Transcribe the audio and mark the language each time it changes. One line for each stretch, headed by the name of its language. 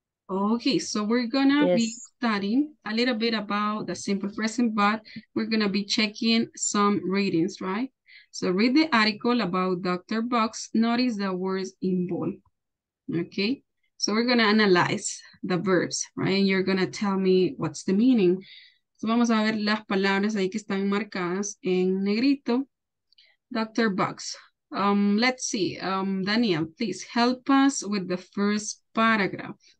English: Okay, so we're gonna be studying a little bit about the simple present, but we're gonna be checking some readings, right? So read the article about Dr. Box, notice the words involved, okay? So we're gonna analyze the verbs, right? And you're gonna tell me what's the meaning.
Spanish: So vamos a ver las palabras ahí que están marcadas en negrito.
English: Dr. Box, let's see, Daniel, please help us with the first paragraph.